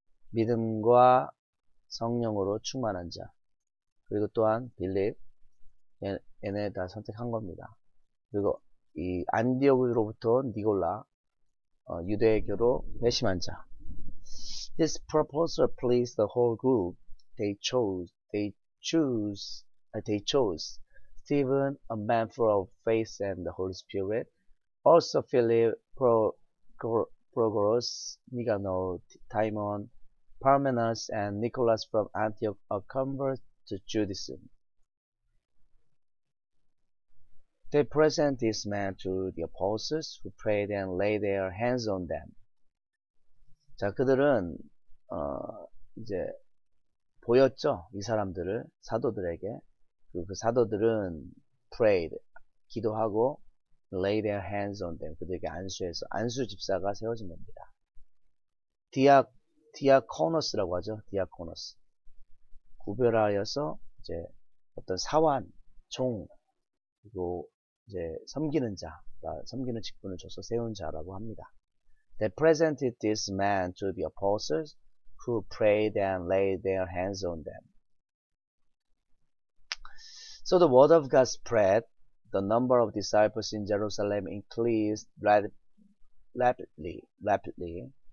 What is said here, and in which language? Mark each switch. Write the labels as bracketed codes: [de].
[ko] 믿음과 성령으로 충만한 자. 그리고 또한 빌립, 얘네 다 선택한 겁니다. 그리고 이 안디옥으로부터 니골라, 유대교로 회심한 자. [en] This proposal pleased the whole group. They chose Stephen, a man full of faith and the Holy Spirit. Also Philip, Prochorus, Nicanor, Timon, Parmenas, and Nicholas from Antioch, a convert to Judaism. They present this man to the apostles who prayed and laid their hands on them. [ko] 자, 그들은, 이제, 보였죠? 이 사람들을 사도들에게. 그리고 그 사도들은 prayed, 기도하고 [en] lay their hands on them, [ko] 그들에게 안수해서 안수 집사가 세워진 겁니다. Diaconus라고 하죠. Diaconus. 구별하여서 이제 어떤 사환, 종, 그리고 이제 섬기는 자, 그러니까 섬기는 직분을 줘서 세운 자라고 합니다. [en] They presented this man to the apostles who prayed and laid their hands on them. So the word of God spread. The number of disciples in Jerusalem increased rapidly.